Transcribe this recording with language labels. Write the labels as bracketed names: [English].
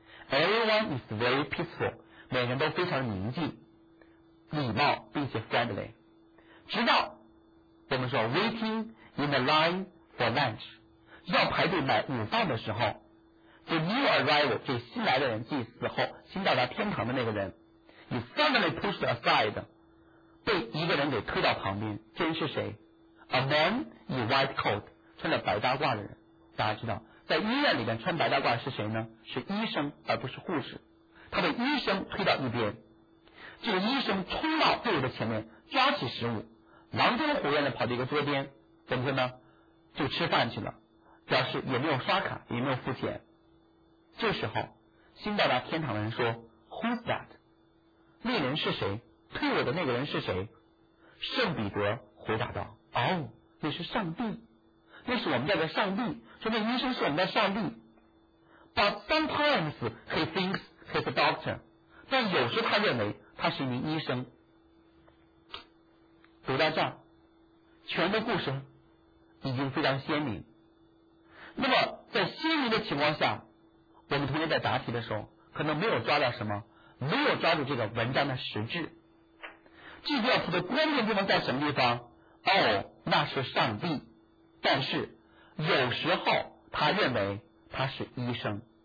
[English] Everyone is very peaceful， [Chinese] 每人都非常宁静礼貌并且 friendly， 直到我们说 [English] waiting in the line for lunch， [Chinese] 要排队买午饭的时候， [English] The new arrival， [Chinese] 就新来的人，即死后新到达天堂的那个人， [English] He suddenly pushed aside， [Chinese] 被一个人给推到旁边。这人是谁？ [English] A man in white coat， 穿着白大褂的人。 [Chinese] 大家知道在医院里面穿白大褂是谁呢？是医生而不是护士。他被医生推到一边，这个医生冲到队伍的前面，抓起食物，狼吞虎咽地跑到一个桌边，怎么说呢？就吃饭去了，表示也没有刷卡也没有付钱。这时候新到达天堂的人说， [English] Who's that？ [Chinese] 那人是谁？推我的那个人是谁？圣彼得回答道，哦，那是上帝，那是我们家的上帝，说那医生是我们的上帝。 [English] But sometimes he thinks he's a doctor， [Chinese] 但有时他认为他是一名医生。读到这儿，全的故事已经非常鲜明。那么在鲜明的情况下，我们同学在答题的时候可能没有抓到什么，没有抓住这个文章的实质。这道题的关键地方在什么地方？哦，那是上帝，但是有时候他认为他是医生。